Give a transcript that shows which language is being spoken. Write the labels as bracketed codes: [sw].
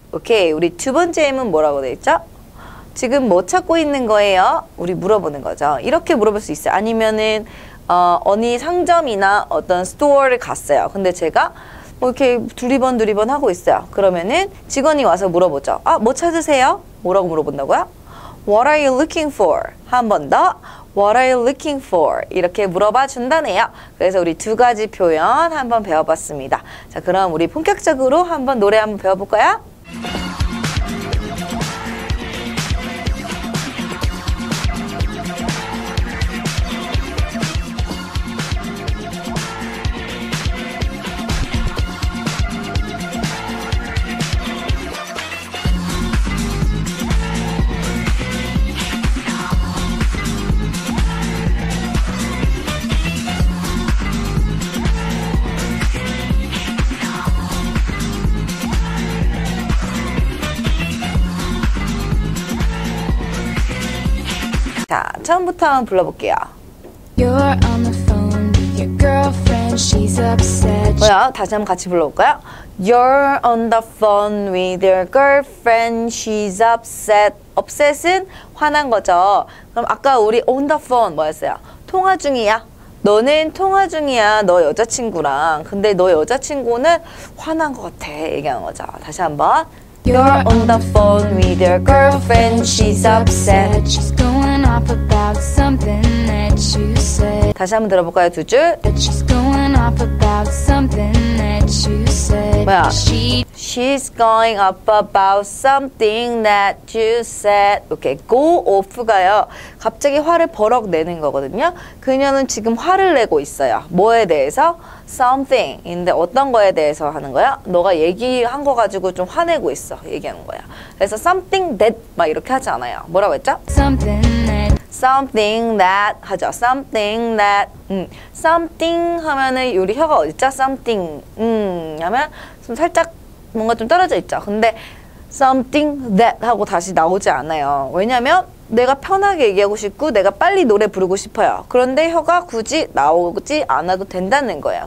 [ko] 오케이, 우리 두 번째 예문 뭐라고 되어있죠? 지금 뭐 찾고 있는 거예요? 우리 물어보는 거죠. 이렇게 물어볼 수 있어요. 아니면은 어느 상점이나 어떤 스토어를 갔어요. 근데 제가 뭐 이렇게 두리번 하고 있어요. 그러면은 직원이 와서 물어보죠. 아, 뭐 찾으세요? 뭐라고 물어본다고요? [en] What are you looking for? [ko] 한 번 더. [en] What are you looking for? [ko] 이렇게 물어봐 준다네요. 그래서 우리 두 가지 표현 한번 배워봤습니다. 자, 그럼 우리 본격적으로 한번 노래 한번 배워볼까요? 자, 처음부터 한번 불러볼게요. [en] You're on the phone with your girlfriend, she's upset. [ko] 뭐야? 다시 한번 같이 불러볼까요? [en] You're on the phone with your girlfriend, she's upset. [ko] Upset은 화난 거죠. 그럼 아까 우리 [en] on the phone [ko] 뭐였어요? 통화 중이야. 너는 통화 중이야, 너 여자친구랑. 근데 너 여자친구는 화난 것 같아. 얘기하는 거죠. 다시 한번. [en] You're on the phone with your girlfriend, she's upset. She's going off about something that you said. [ko] 다시 한번 들어볼까요, 두 줄? [en] That she's going off about something that you said. [ko] 뭐야? [en] She's going off about something that you said. [ko] 이렇게 [en] go off [ko] 가요. 갑자기 화를 버럭 내는 거거든요. 그녀는 지금 화를 내고 있어요. 뭐에 대해서? something인데 어떤 거에 대해서 하는 거야? 너가 얘기한 거 가지고 좀 화내고 있어. 얘기하는 거야. 그래서 [en] something that [ko] 막 이렇게 하지 않아요. 뭐라고 했죠? [en] something that [ko] 하죠. [en] something that. [ko] something 하면은 우리 혀가 어디 있죠? [en] something. [ko] 하면 좀 살짝 뭔가 좀 떨어져 있죠. 근데 [en] something that [ko] 하고 다시 나오지 않아요. 왜냐면 내가 편하게 얘기하고 싶고 내가 빨리 노래 부르고 싶어요. 그런데 혀가 굳이 나오지 않아도 된다는 거예요.